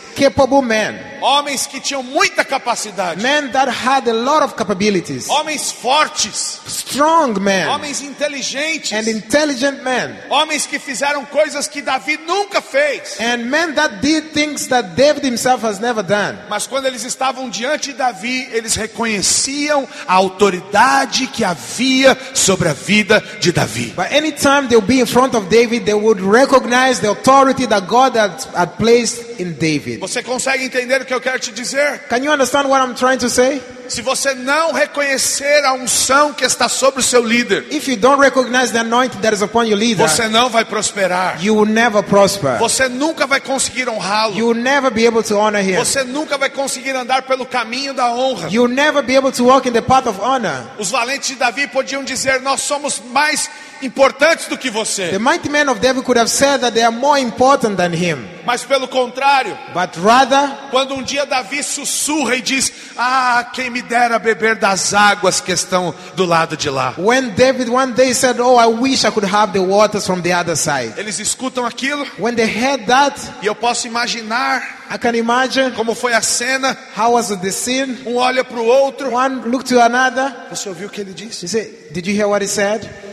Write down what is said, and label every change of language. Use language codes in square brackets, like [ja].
[en] Capable men. [pt] Homens que tinham muita capacidade. [en] Men that had a lot of capabilities. [pt] Homens fortes. [en] Strong men. [pt] Homens inteligentes. [en] And intelligent men. [pt] Homens que fizeram coisas que Davi nunca fez. [en] And men that did things that David himself has never done. [pt] Mas quando eles estavam diante de Davi, eles reconheciam a autoridade que havia sobre a vida de Davi. [en] But anytime they'll be in front of David, they would recognize the authority that God had placed in David. [pt] Você consegue entender o que eu quero te dizer? [en] Can you understand what I'm trying to say? [pt] Se você não reconhecer a unção que está sobre o seu líder, [en] if you don't recognize the anointing that is upon your leader, [pt] você não vai prosperar. [en] You will never prosper. [pt] Você nunca vai conseguir honrá-lo. [en] You will never be able to honor him. [pt] Você nunca vai conseguir andar pelo caminho da honra. [en] You will never be able to walk in the path of honor. [pt] Os valentes de Davi podiam dizer: nós somos mais importantes do que você. [en] The mighty men of David could have said that they are more important than him. [pt] Mas pelo contrário, [en] but rather, [pt] quando um dia Davi sussurra e diz: ah, quem me dera beber das águas que estão do lado de lá. [en] When David one day said, oh, I wish I could have the waters from the other side. [pt] Eles escutam aquilo. [en] When they heard that, [pt] e eu posso imaginar, [en] I can imagine, [pt] como foi a cena. [en] How was the scene? [pt] Um olha para o outro. [en] One looked to another. [pt] Você ouviu o que ele disse? [en] He said, did you hear what he said?